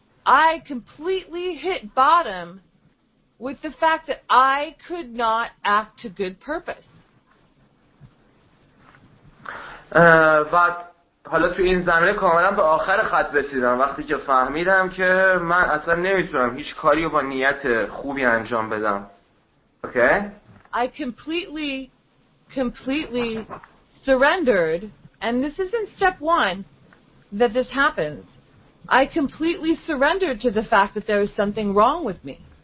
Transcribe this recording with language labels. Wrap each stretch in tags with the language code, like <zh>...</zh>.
<en>I completely hit bottom with the fact that I could not act to good purpose. But</en> <fa>حالا تو این زمینه کاملا به آخر خط رسیدم وقتی که فهمیدم که من اصلا نمیتونم هیچ کاری رو با نیت خوبی انجام بدم.</fa> <en>Okay? I completely surrendered, and this isn't step one that this happens. I completely surrendered to the fact that there was something wrong with me.</en>